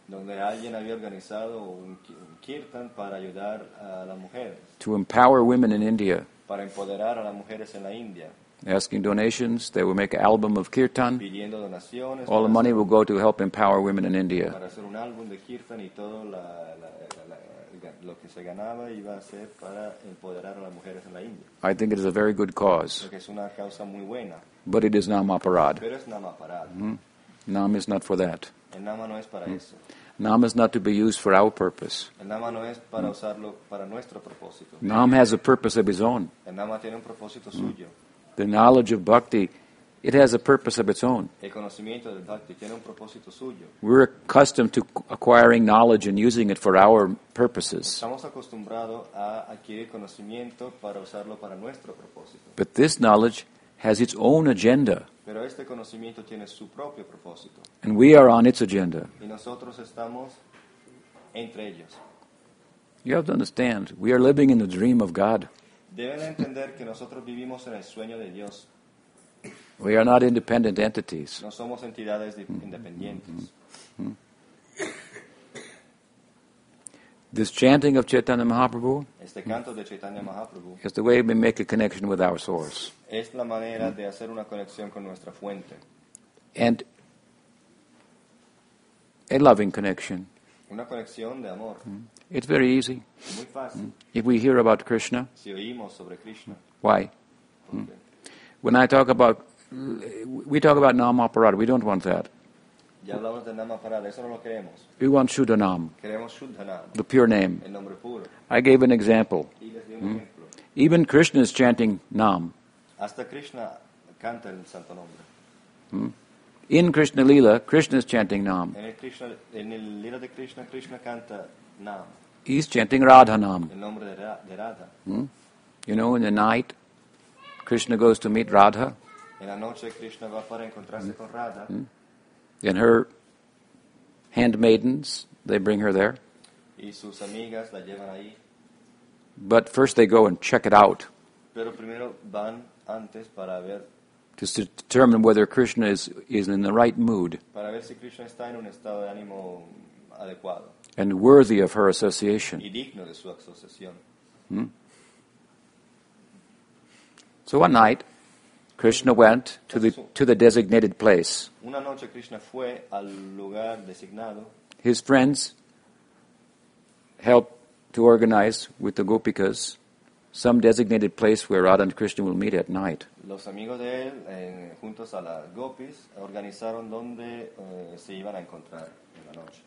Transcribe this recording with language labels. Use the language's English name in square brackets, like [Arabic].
[Spanish] Donde alguien había organizado un kirtan para ayudar a las mujeres. [English] To empower women in India. [Spanish] Para empoderar a las mujeres en la India. [English] Asking donations, they will make an album of kirtan. [Spanish] Pidiendo donaciones. [English] All the money will go to help empower women in India. [Spanish] Para hacer un álbum de kirtan y todo lo que se ganaba iba a ser para empoderar a las mujeres en la India. [English] I think it is a very good cause. [Spanish] Porque es una causa muy buena. [English] But it is nama parad. [Spanish] Pero es nama parad. [English] Nama is not for that. [Spanish] El nama no es para eso. [English] Nama is not to be used for our purpose. [Spanish] El nama no es para usarlo para nuestro propósito. [English] Nama has a purpose of his own. [Spanish] El nama tiene un propósito suyo. [English] The knowledge of bhakti, it has a purpose of its own. [Spanish] El conocimiento del bhakti tiene un propósito suyo. [English] We're accustomed to acquiring knowledge and using it for our purposes. [Spanish] Estamos acostumbrados a adquirir conocimiento para usarlo para nuestro propósito. [English] But this knowledge has its own agenda. [Spanish] Pero este conocimiento tiene su propio propósito. [English] And we are on its agenda. [Spanish] Y nosotros estamos entre ellos. [English] You have to understand, we are living in the dream of God. [Spanish] Deben entender que nosotros vivimos en el sueño de Dios. [English] We are not independent entities. [Spanish] No somos entidades independientes. [English] This chanting of Chaitanya Mahaprabhu, [Spanish] este canto de Chaitanya Mahaprabhu, [English] is the way we make a connection with our source. [Spanish] Es la manera de hacer una conexión con nuestra fuente. [English] And a loving connection. [Spanish] Una conexión de amor. [English] It's very easy. [Spanish] Muy fácil. [English] If we hear about Krishna. [Spanish] Si oímos sobre Krishna. [English] Why? Okay. When I talk about, we talk about Nama Parada, we don't want that. [Spanish] Ya hablamos del nama parada, eso no lo queremos. [English] We want Shuddhanam. [Spanish] Queremos Shuddhanam. [English] The pure name. [Spanish] El nombre puro. [English] I gave an example. [Spanish] Y les di un ejemplo. [English] Even Krishna is chanting Nam. [Spanish] Hasta Krishna canta el santo nombre. [English] In Krishna Lila, Krishna is chanting Nam. [Spanish] En el Lila de Krishna, Krishna canta Nam. [English] He's chanting Radha Nam. [Spanish] El nombre de Radha. [English] You know, in the night, Krishna goes to meet Radha. [Spanish] En la noche, Krishna va para encontrarse con Radha. [English] And her handmaidens, they bring her there. [Spanish] Y sus amigas la llevan ahí. [English] But first they go and check it out. [Spanish] Pero primero van antes para ver. [English] To determine whether Krishna is in the right mood. [Spanish] Para ver si Krishna está en un estado de ánimo adecuado. [English] And worthy of her association. [Spanish] Y digno de su asociación. [English] So one night, Krishna went to the designated place. [Spanish] Una noche Krishna fue al lugar designado. [English] His friends helped to organize with the Gopikas some designated place where Radha and Krishna will meet at night. [Spanish] Los amigos de él, juntos a las Gopis, organizaron donde se iban a encontrar en la noche.